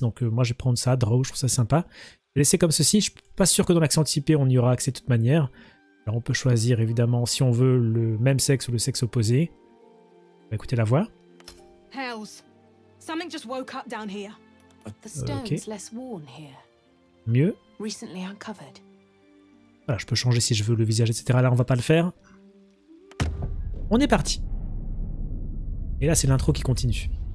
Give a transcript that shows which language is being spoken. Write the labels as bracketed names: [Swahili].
[French] Donc, moi, je vais prendre ça, draw, je trouve ça sympa. Laisser comme ceci. Je suis pas sûr que dans l'accès anticipé, on y aura accès de toute manière. Alors, on peut choisir, évidemment, si on veut le même sexe ou le sexe opposé. Bah, écoutez la voix. [English] Hells, something just woke up down here. The stone's less worn here. [French] Mieux. [English] Recently uncovered. [French] Voilà, je peux changer si je veux le visage, etc. Là, on va pas le faire. On est parti. Et là, c'est l'intro qui continue.